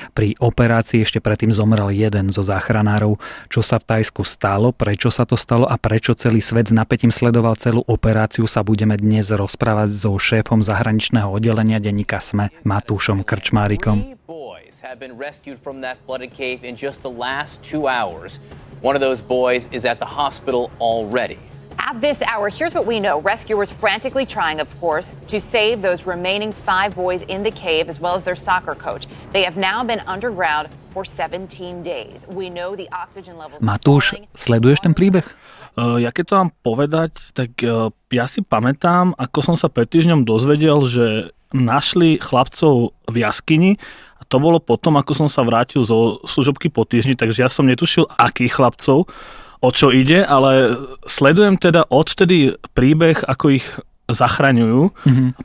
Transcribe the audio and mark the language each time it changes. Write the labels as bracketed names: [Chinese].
[Slovak] Pri operácii ešte predtým zomrel jeden zo záchranárov. Čo sa v Tajsku stalo, prečo sa to stalo a prečo celý svet s napätím sledoval celú operáciu, sa budeme dnes rozprávať so šéfom zahraničných oddelenia denníka SME Matúšom Krčmárikom. [English] Boys have been rescued from that flooded cave in just the last 2 hours. One of those boys is at the hospital already. At this hour, here's what we know. Rescuers frantically trying, of course, to save those remaining 5 boys in the cave as well as their soccer coach. They have now been underground for 17 days. We know the oxygen levels. [Slovak] Matúš, sleduješ ten príbeh? Ja keď to mám povedať, tak ja si pamätám, ako som sa pred týždňom dozvedel, že našli chlapcov v jaskyni. A to bolo potom, ako som sa vrátil zo služobky po týždni, takže ja som netušil, akých chlapcov, o čo ide, ale sledujem teda odtedy príbeh, ako ich zachraňujú. Mm-hmm.